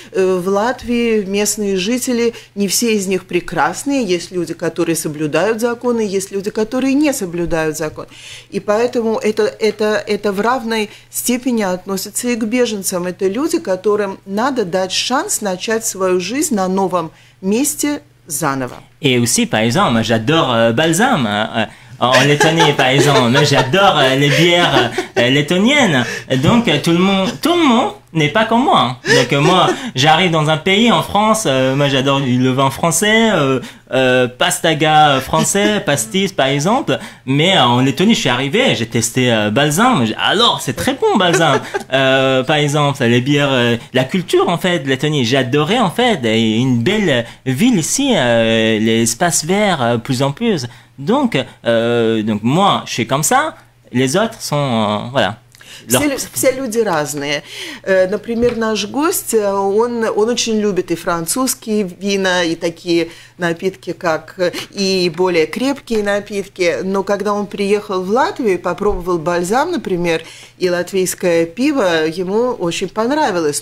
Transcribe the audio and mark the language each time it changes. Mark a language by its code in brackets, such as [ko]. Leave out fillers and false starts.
[ru] В Латвии местные жители, не все из них прекрасные, есть люди, которые соблюдают законы, есть люди, которые не соблюдают закон. И поэтому это в равной степени относится и к беженцам. Это люди, которым надо дать шанс начать свою жизнь на новом месте заново. [fr] И aussi, par exemple, j'adore Balsam. en Lettonie, par exemple. Moi, j'adore les bières lettoniennes. Donc, tout le monde n'est pas comme moi. Donc, moi, j'arrive dans un pays, en France, moi, j'adore le vin français, pastaga français, pastis, par exemple. Mais en Lettonie, je suis arrivé, j'ai testé Balzan. Alors, c'est très bon, Balzan. Par exemple, les bières, la culture, en fait, Lettonie. J'adorais, en fait, une belle ville ici, l'espace vert, plus en plus. Donc moi, je suis comme ça, les autres sont, voilà. [ru] Все люди разные. Например, наш гость, он очень любит и французские вина, и такие напитки, как и более крепкие напитки. Но когда он приехал в Латвию, попробовал бальзам, например, и латвийское пиво, ему очень понравилось.